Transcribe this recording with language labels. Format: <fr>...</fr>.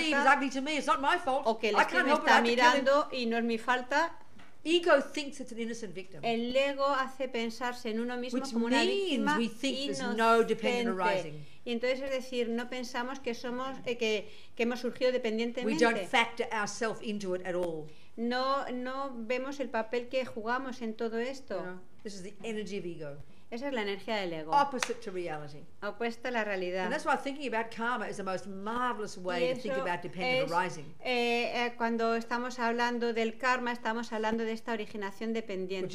<en>Steve is ugly to me. It's not my fault.</en> <es>O que el Steve me está mirando y no es mi falta.</es> <en>Ego thinks it's an innocent victim.</en> <es>El ego hace pensarse en uno mismo</es> <en>Which</en> <es>como una víctima</es> <en>we think</en> <es>inocente. Y entonces es decir, no pensamos que somos que hemos surgido dependientemente.</es> <en>We don't factor ourselves into it at all.</en> <es>No vemos el papel que jugamos en todo esto.</es> <en>No. This is the energy of ego.</en> <es>Esa es la energía del ego.</es> <en>Opposite to reality.</en> <es>Opuesta a la realidad.</es> <en>And that's why thinking about karma is the most marvelous way to think about dependent arising.</en> <es>Cuando estamos hablando del karma, estamos hablando de esta originación dependiente.</es>